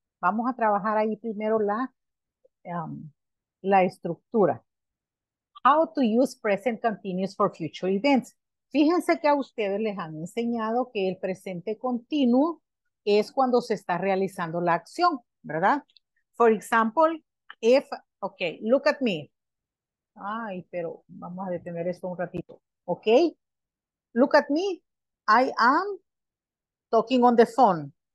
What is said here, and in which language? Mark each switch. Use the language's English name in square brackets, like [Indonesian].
[Spanish] Vamos a trabajar ahí primero la, la estructura. [English] How to use present continuous for future events. [Spanish] Fíjense que a ustedes les han enseñado que el presente continuo es cuando se está realizando la acción, ¿verdad? [English] For example, if... Okay, look at me. [Spanish] Ay, pero vamos a detener esto un ratito. [English] Okay, look at me. I am talking on the phone.